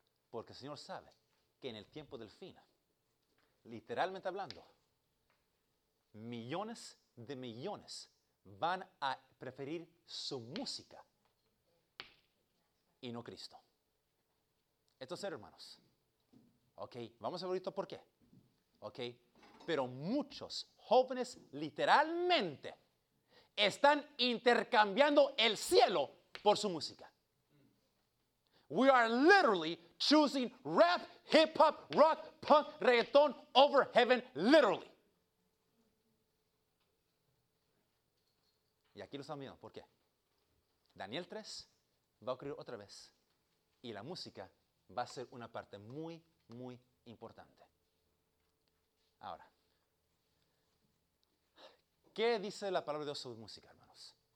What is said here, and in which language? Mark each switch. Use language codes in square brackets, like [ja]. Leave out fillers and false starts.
[es] Porque el Señor sabe que en el tiempo del fin, literalmente hablando, millones de millones van a preferir su música y no Cristo. Entonces, hermanos, ok, vamos a ver ahorita por qué. Ok, pero muchos jóvenes literalmente están intercambiando el cielo por su música. [en] We are literally choosing rap, hip hop, rock, punk, reggaeton over heaven, literally. [es] Y aquí lo están viendo, ¿por qué? Daniel 3 va a ocurrir otra vez y la música va a ser una parte muy, muy importante. Ahora, ¿qué dice la palabra de Dios sobre música, hermanos?